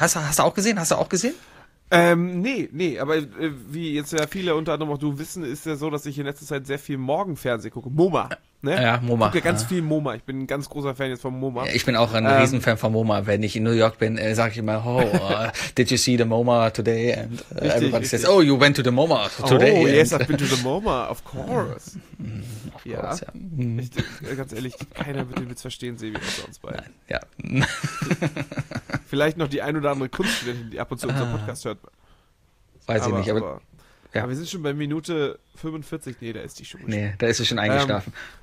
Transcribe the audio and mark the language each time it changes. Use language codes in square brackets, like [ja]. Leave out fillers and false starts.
[de] Hast du auch gesehen? Nee, aber wie jetzt ja viele unter anderem auch du wissen, ist ja so, dass ich in letzter Zeit sehr viel Morgenfernsehen gucke. MoMA. Ne? Ja, MoMA. Ich gucke ganz viel MoMA. Ich bin ein ganz großer Fan jetzt von MoMA. Ja, ich bin auch ein Riesenfan von MoMA. Wenn ich in New York bin, sage ich immer, oh, [en] did you see the MoMA today? And everybody says, oh, you went to the MoMA today. Oh, and yes, I've been to the MoMA, of course. Of course, ja. [de] Ganz ehrlich, keiner wird den Witz verstehen, Sebi, außer uns beiden. Nein, ja. Vielleicht noch die ein oder andere Kunststudentin, die ab und zu unseren Podcast hört. Weiß ich nicht. Ja, wir sind schon bei Minute 45. Nee, da ist die schon. Nee, da ist sie schon eingeschlafen.